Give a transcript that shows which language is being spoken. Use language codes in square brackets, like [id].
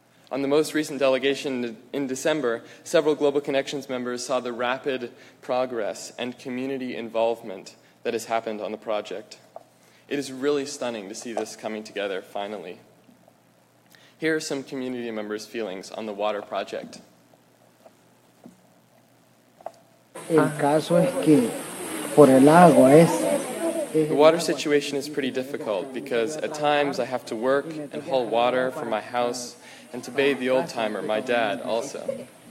[en] On the most recent delegation in December, several Global Connections members saw the rapid progress and community involvement that has happened on the project. It is really stunning to see this coming together, finally. Here are some community members' feelings on the water project. [es] El caso es que por el agua es... [en] The water situation is pretty difficult because at times I have to work and haul water from my house and to bathe the old timer, my dad, also.